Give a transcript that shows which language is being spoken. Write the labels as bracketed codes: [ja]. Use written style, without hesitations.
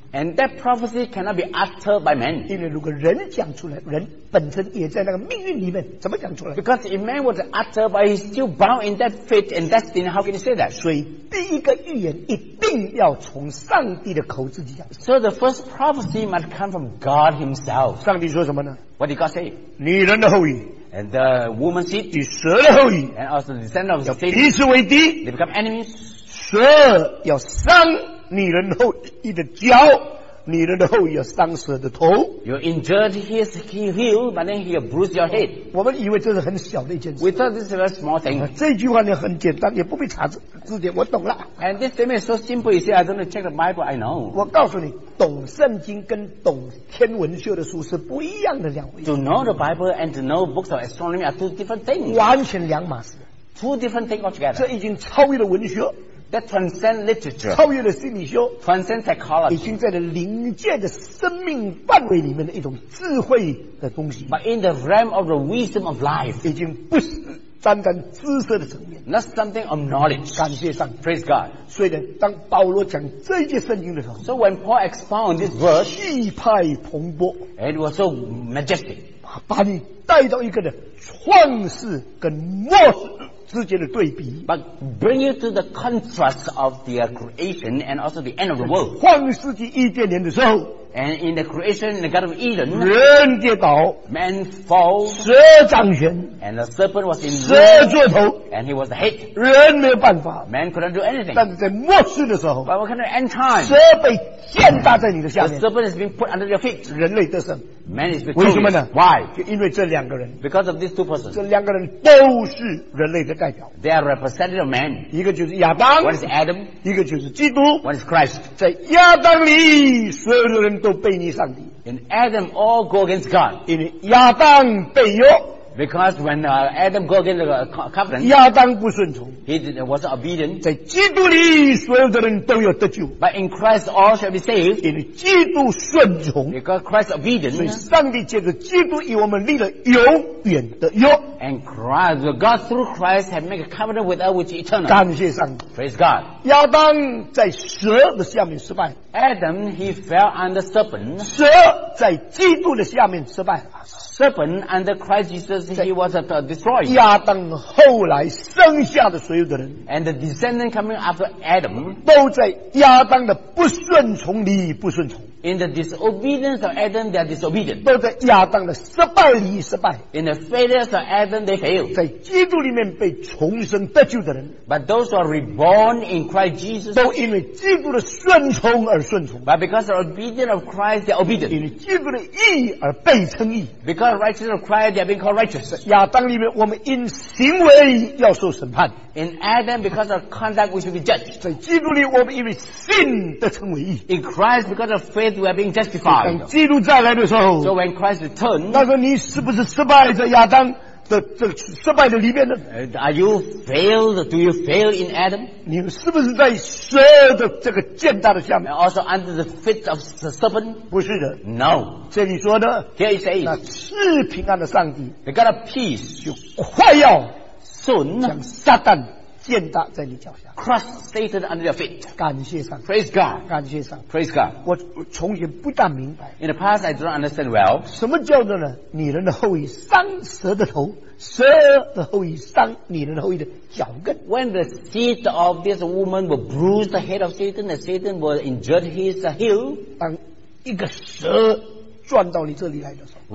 [en] And that prophecy cannot be uttered by man. [zh] 因为如果人讲出来，人本身也在那个命运里面，怎么讲出来 [en] ？Because if man was uttered, but he's still bound in that fate and destiny, how can you say that? [zh] 所以第一个预言一定要从上帝的口自己讲。 [en] So the first prophecy must come from God Himself. [zh] 上帝说什么呢 [en] ？What did God say? [zh] 女人的后裔。 [en] And the woman's seed, [zh] 与蛇的后裔 [en] and also the descendant of Satan, [zh] 彼此为敌 [en] they become enemies. [zh] 蛇要伤女人后裔的脚，女人的后裔要伤蛇的头。 [en] You injured his heel, but then he bruised your head. [zh] 我们以为这是很小的一件事。 [en] We thought this is a very small thing. [zh] 这句话呢很简单，也不必查字典，我懂了。 [en] And this statement is so simple. You see, I don't check the Bible. I know. [zh] 我告诉你。懂圣经跟懂天文学的书是不一样的两回事。 [en] To know the Bible and to know books of astronomy are two different things. [zh] 完全两码事。 [en] Two different things altogether. [zh] 这已经超越了文学。 [en] That transcends literature. [zh] 超越了心理学。 [en] Transcends psychology. [zh] 已经在了灵界的生命范围里面的一种智慧的东西。 [en] But in the realm of the wisdom of life. [zh] 已经不是单单知识的层面 [en] Not something of knowledge [zh] 感谢上 [en] Praise God [zh] 所以呢当保罗讲这一节圣经的时候 [en] So when Paul expounded this verse [zh] 气派蓬勃 [en] It was so majestic [zh] 把你带到一个的创世跟末世之间的对比 [en] But bring you to the contrast of the creation and also the end of the world [zh] 创世纪伊甸园的时候 [en] And in the creation in the Garden of Eden [zh] 人跌倒 [en] Man fall [zh] 蛇掌权 [en] And the serpent was in [zh] the 蛇做头 [en] And he was the head [zh] 人没有办法 [en] Man couldn't do anything [zh] 但是在末世的时候 [en] But what kind of end time [zh] 蛇被践踏在你的下面 [en] The serpent has been put under your feet [zh] 人类得胜 [en] Man is victorious [zh] 为什么呢 [en] Why [zh] 就因为这两个人 [en] Because of these two persons [zh] 这两个人都是人类的 [en] They are representative of man. [zh] 一个就是亚当 [en] One is Adam. [zh] 一个就是基督 [en] One is Christ. [zh] 在亚当里，所有的人都背逆上帝。 [en] In Adam, all go against God. [zh] In 亚当背约 [en] Because when Adam go against the covenant, [zh] 亚当不顺从 [en] he was obedient. [zh] 在基督里所有的人都有得救 [en] But in Christ all shall be saved. [zh] 因为基督顺从 [en] Because Christ obedient. [zh] 所以上帝借着基督与我们立了永远的约 [en] And Christ, God through Christ have made a covenant with us which is eternal. [zh] 感谢上帝 [en] Praise God. [zh] 亚当在蛇的下面失败 [en] Adam, he fell under serpent. [zh] 蛇在基督的下面失败 [en] Serpent under Christ Jesus, he was destroyed. [zh] 亚当后来生下的所有的人 [en] and the descendant coming after Adam, [zh] 都在亚当的不顺从里不顺从 [en] in the disobedience of Adam, they are disobedient. [zh] 都在亚当的失败里失败 [en] in the failures of Adam, they fail. [zh] 在基督里面被重生得救的人 [en] but those who are reborn in Christ Jesus, [zh] 都因为基督的顺从而顺从 [en] but because they are obedient of Christ, they are obedient. [zh] 因为基督的义而被称义 [en] Because of righteousness of Christ, they have been called righteous. [zh] 亚当里面，我们因行为要受审判。 [en] In Adam, because of conduct, we should be judged. [zh] 在基督里，我们因为信得称为义。 [en] In Christ, because of faith, we are being justified. [zh] 当基督再来的时候 [en] ，So when Christ returns, [zh] 那时候你是不是失败在亚当的这失败的里面呢 [en] ？Are you failed? Do you fail in Adam? [zh] 你是不是在蛇的这个践踏的下面 [en] ？Also under the feet of the serpent? [zh] 不是的 [en] ，No。 [zh] 这里说的 [en] ，Here it says， [zh] 那赐平安的上帝 [en] ，The God of Peace， [zh] 就快要 [en] soon [zh] 将撒旦践踏在你脚下 [en] ，Crush Satan under your feet。 [zh] 感谢上帝 [en] ，Praise God。 [zh] 感谢上帝 [en] ，Praise God。 [zh] 我从前不大明白 [en] ，In the past I don't understand well。 [zh] 什么叫做呢？女人的后裔伤蛇的头。蛇的后裔伤女人的后裔的脚跟 [en] When the seed of this woman will bruise the head of Satan and Satan will injure his heel [zh] 当一个蛇转到你这里来的时候